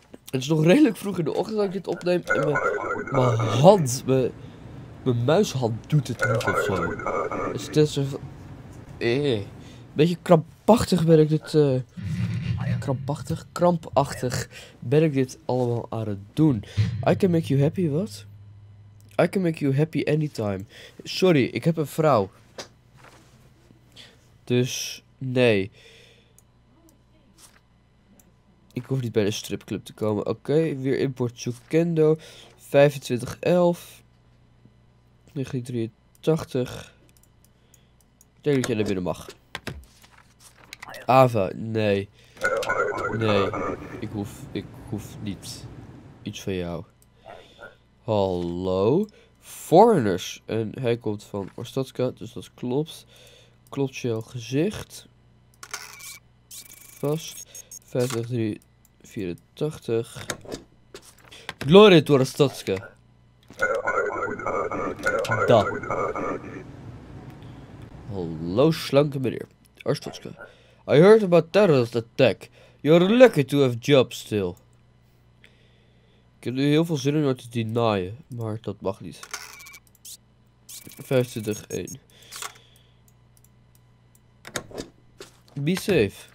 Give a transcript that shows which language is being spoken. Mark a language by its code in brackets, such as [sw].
[nl] Het is nog redelijk vroeg in de ochtend dat ik dit opneem. En mijn muishand doet het niet of zo. Het is net zo van, beetje krampachtig ben ik dit. Krampachtig ben ik dit allemaal aan het doen. [en] I can make you happy, what? I can make you happy anytime. [nl] Sorry, ik heb een vrouw. Dus, nee. Ik hoef niet bij de stripclub te komen. Oké, weer import Tsukendo. 2511. 1983. Ik denk dat jij naar binnen mag. Ava, nee. Nee, ik hoef niet iets van jou. Hallo. Foreigners. En hij komt van Ostatska, dus dat klopt. Klopt jouw gezicht. vast. 53, 84. [en] Glory to Rastotske. [ru] Da. [nl] Hallo, slanke meneer. Arstotske. [en] I heard about terrorist attack. You're lucky to have job still. [nl] Ik heb nu heel veel zin in om te denyen, maar dat mag niet. 25-1. [en] Be safe.